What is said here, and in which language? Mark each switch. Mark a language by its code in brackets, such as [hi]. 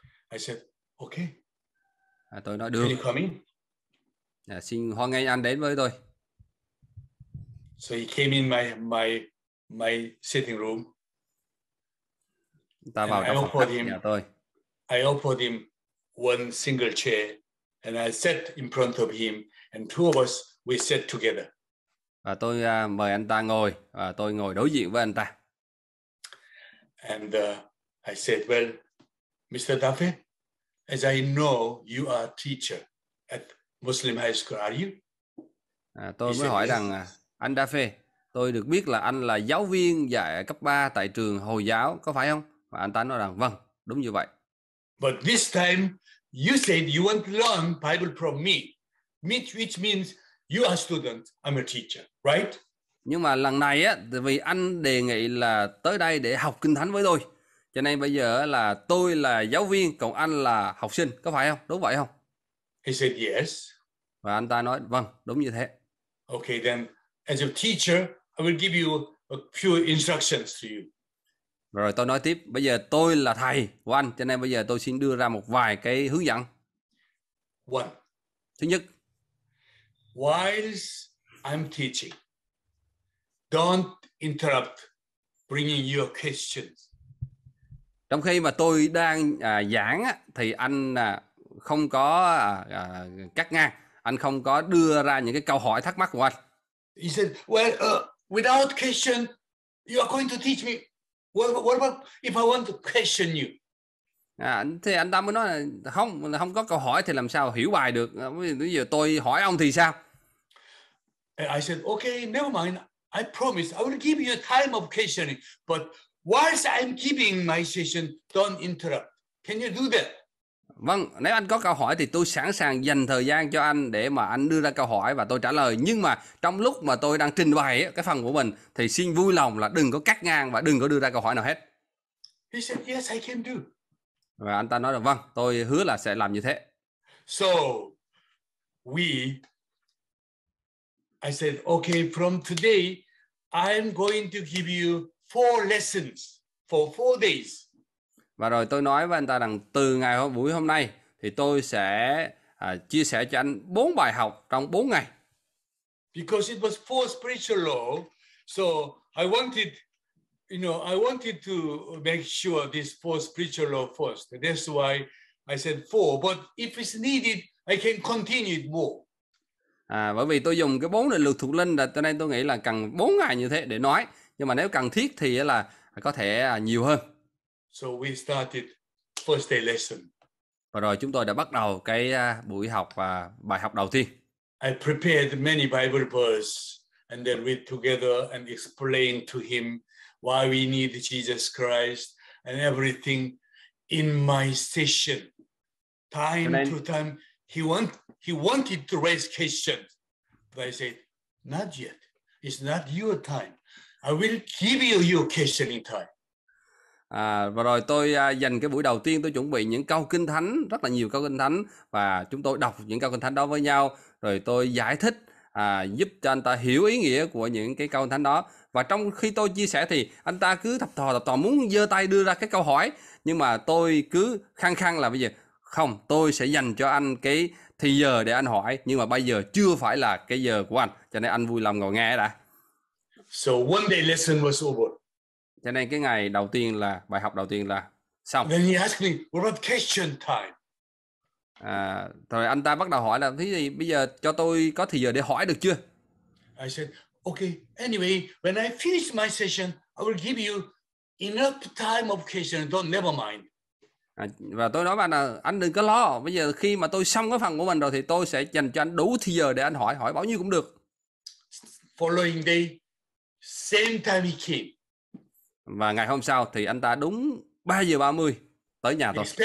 [en] I said, "Okay." [vi] À, tôi nói được. [en] Can you come in? [vi] À, xin hoan nghênh anh đến với tôi. [en] So he came in my sitting room. [vi] Anh ta vào trong phòng khách nhà tôi. [en] I offered him one single chair. And I sat in front of him, and two of us we sat together. [vi] Và tôi mời anh ta ngồi, và tôi ngồi đối diện với anh ta. [en] And I said, "Well, Mr. Duffy, as I know you are a teacher at Muslim High School, are you?" [vi] Tôi mới hỏi rằng, anh Duffy, tôi được biết là anh là giáo viên dạy cấp 3 tại trường Hồi giáo, có phải không? Và anh ta nói rằng, vâng, đúng như vậy. [en] But this time, you said you want to learn Bible from me, which means you are a student, I'm a teacher, right? [vi] Nhưng mà lần này á, vì anh đề nghị là tới đây để học Kinh Thánh với tôi, cho nên bây giờ là tôi là giáo viên, còn anh là học sinh, có phải không? Đúng vậy không? [en] He said yes. [vi] Và anh ta nói, vâng, đúng như thế. [en] Okay, then, as a teacher, I will give you a few instructions to you. [vi] Rồi tôi nói tiếp, bây giờ tôi là thầy của anh, cho nên bây giờ tôi xin đưa ra một vài cái hướng dẫn. [en] One. [vi] Thứ nhất. [en] Whilst I'm teaching, don't interrupt bringing your questions. [vi] Trong khi mà tôi đang giảng, thì anh không có cắt ngang, anh không có đưa ra những cái câu hỏi thắc mắc của anh. [en] He said, "Well, without question, you are going to teach me. What about if I want to question you?" [vi] Thì anh ta mới nói là không có câu hỏi thì làm sao hiểu bài được. Bây giờ tôi hỏi ông thì sao? [en] And I said, "Okay, never mind. I promise I will give you a time of questioning. But whilst I'm giving my session, don't interrupt. Can you do that?" [vi] Vâng, nếu anh có câu hỏi thì tôi sẵn sàng dành thời gian cho anh để mà anh đưa ra câu hỏi và tôi trả lời. Nhưng mà trong lúc mà tôi đang trình bày cái phần của mình thì xin vui lòng là đừng có cắt ngang và đừng có đưa ra câu hỏi nào hết. [en] He said, "Yes, I can do." [vi] Và anh ta nói là vâng, tôi hứa là sẽ làm như thế. [en] So, I said, "Okay, from today, I'm going to give you 4 lessons for 4 days." [vi] Và rồi tôi nói với anh ta rằng từ ngày buổi hôm nay thì tôi sẽ chia sẻ cho anh 4 bài học trong 4 ngày. [en] Because it was 4 spiritual law, so I wanted to make sure this 4 spiritual law first. That's why I said 4, but if it's needed, I can continue it more. [vi] Bởi vì tôi dùng cái 4 định luật thuộc linh, cho nên tôi nghĩ là cần 4 ngày như thế để nói. Nhưng mà nếu cần thiết thì là có thể nhiều hơn. [en] So we started first day lesson. [vi] Và rồi chúng tôi đã bắt đầu cái buổi học và bài học đầu tiên. [en] I prepared many Bible verses and then read together and explain to him why we need Jesus Christ and everything in my session. Time to time, he wanted to raise questions, but I said, "Not yet. It's not your time. I will give you your questioning time." [vi] Và rồi tôi dành cái buổi đầu tiên tôi chuẩn bị những câu kinh thánh, rất là nhiều câu kinh thánh, và chúng tôi đọc những câu kinh thánh đó với nhau, rồi tôi giải thích giúp cho anh ta hiểu ý nghĩa của những cái câu kinh thánh đó. Và trong khi tôi chia sẻ thì anh ta cứ thập thò muốn giơ tay đưa ra cái câu hỏi, nhưng mà tôi cứ khăng khăng là bây giờ không, tôi sẽ dành cho anh cái thì giờ để anh hỏi, nhưng mà bây giờ chưa phải là cái giờ của anh, cho nên anh vui lòng ngồi nghe đã. [en] So one day lesson was over. [vi] Cho nên cái ngày đầu tiên là bài học đầu tiên là xong. [en] Then he asked me, "What about question time?" [vi] Rồi anh ta bắt đầu hỏi là thế thì bây giờ cho tôi có thời giờ để hỏi được chưa? [en] I said, "Okay, anyway, when I finish my session, I will give you enough time of question. Don't never mind." [vi] Và tôi nói bạn là anh đừng có lo. Bây giờ khi mà tôi xong cái phần của mình rồi thì tôi sẽ dành cho anh đủ thời giờ để anh hỏi bao nhiêu cũng được. [en] Following day, same time he came. [vi] Và ngày hôm sau thì anh ta đúng 3:30 tới nhà tôi.